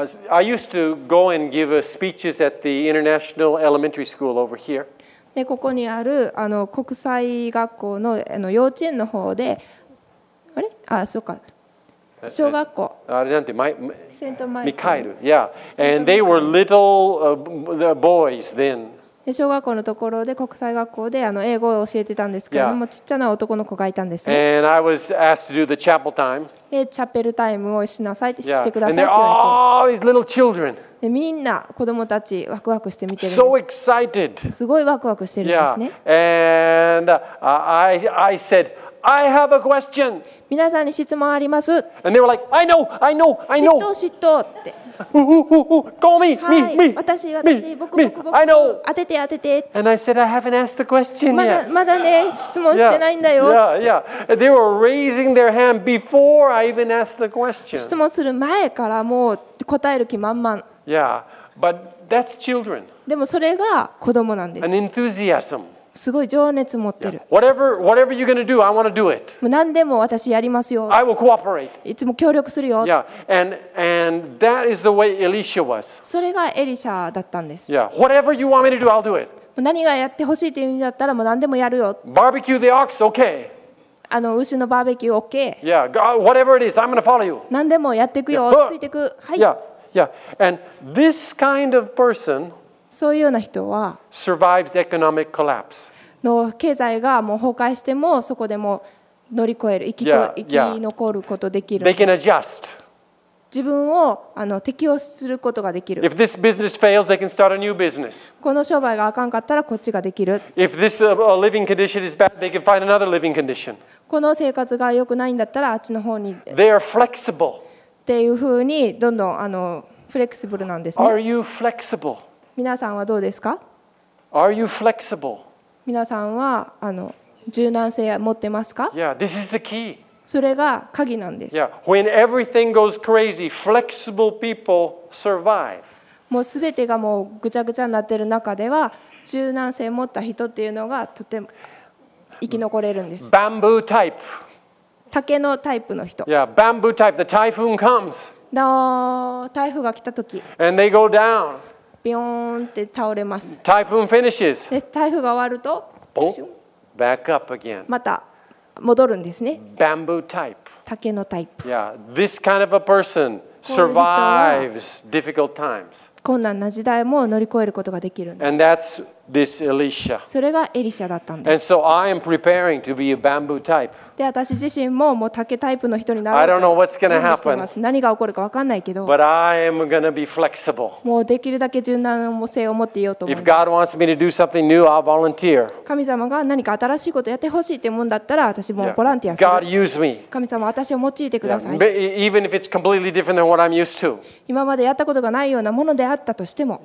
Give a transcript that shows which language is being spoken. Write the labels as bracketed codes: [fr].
[en] I used to go and give speeches at the International Elementary School over here. [ja] でここにあるあの国際学校のあの幼稚園の方で、あれ？あ、そうか。小学校。あれなんて、セントマイケル。ミカエル。Yeah. [en] And they were little the boys then. [ja] で小学校のところで国際学校であの英語を教えてたんですけども、 [en] yeah. [ja] ちっちゃな男の子がいたんですね。 [en] And I was asked to do the chapel time. [ja] でチャペルタイムをしなさいって、 [en] yeah. [ja] してくださいって言われて。 [en] And they're all these little children. [ja] でみんな子供たちワクワクして見てるんです [en] 。So excited. [ja] すごいワクワクしてるんですね。 [en] Yeah. And I said, I have a question. [ja] 皆さんに質問あります。 [en] And they were like, I know, I know, I know. [ja] 知っとって。 [en] Call me, me, me, me, me. I know. [ja] 当てて当てて。 [en] And I said I haven't asked the question yet. [ja] まだね質問してないんだよ。 [en] Yeah, yeah. They were raising their hand before I even asked the question. [ja] 質問する前からもう答える気満々。 [en] Yeah, but that's children. [ja] でもそれが子供なんです。 [en] An enthusiasm. [ja] すごい情熱持ってる。 [en] Yeah. Whatever you're gonna do, I wanna do it. [ja] 何でも私やりますよ。 [en] I will cooperate. [ja] いつも協力するよ。 [en] Yeah. And that is the way Elisha was. [ja] それがエリシャだったんです。 [en] Yeah. Whatever you want me to do, I'll do it. [ja] 何がやってほしいっていう意味だったらもう何でもやるよ。 [en] Barbecue the ox, okay. [ja] あの牛のバーベキュー、OK。 [en] Yeah. Whatever it is, I'm gonna follow you. [ja] 何でもやっていくよ。Yeah. ついていく。はい。 [en] Yeah. Yeah. And this kind of person. [ja] そういうような人は [en] survives economic collapse. [ja] の経済がもう崩壊してもそこでも乗り越える生き残ることできる。 [en] They can adjust. [ja] 自分をあの適応することができる。 [en] If this business fails, they can start a new business. [ja] この商売があかんかったらこっちができる。 [en] If this living condition is bad, they can find another living condition. [ja] この生活が良くないんだったらあっちの方に。 [en] They are flexible. [ja] っていうふうにどんどんあのフレキシブルなんですね。 [en] Are you flexible? [ja] 皆さんはどうですか？ [en] Are you flexible? [ja] 皆さんはあの柔軟性を持ってますか？ [en] Yeah, this is the key. [ja] それが鍵なんです。 [en] Yeah, when everything goes crazy, flexible people survive. [ja] もう全てがもうぐちゃぐちゃになっている中では柔軟性を持った人っていうのがとても生き残れるんです。 [en] Bamboo type. [ja] 竹のタイプの人。 [en] Yeah, bamboo type. The typhoon comes. [ja] の台風が来た時。 [en] And they go down. [ja] ビョーンって倒れます。 [en] Typhoon finishes. [ja] で台風が終わると、 [en] ボン、back up again. [ja] また戻るんですね。 [en] Bamboo type. [ja] 竹のタイプ。 [en] Yeah, this kind of a person survives difficult times. [ja] 困難な時代も乗り越えることができるんです。 [en] And that's this Elisha. [ja] それがエリシャだったんです。 [en] And so I am preparing to be a bamboo type. [ja] で、私自身ももう竹タイプの人になると準備しています。何が起こるか分かんないけど。 [en] But I am going to be flexible. [ja] もうできるだけ柔軟性を持っていようと思います。 [en] If God wants me to do something new, I'll volunteer. [ja] 神様が何か新しいことやってほしいってもんだったら、私もボランティアする。 [en] God use me. [ja] 神様、私を用いてください。 [en] Yeah. Even if it's completely different than what I'm used to. [ja] 今までやったことがないようなものであったとしても。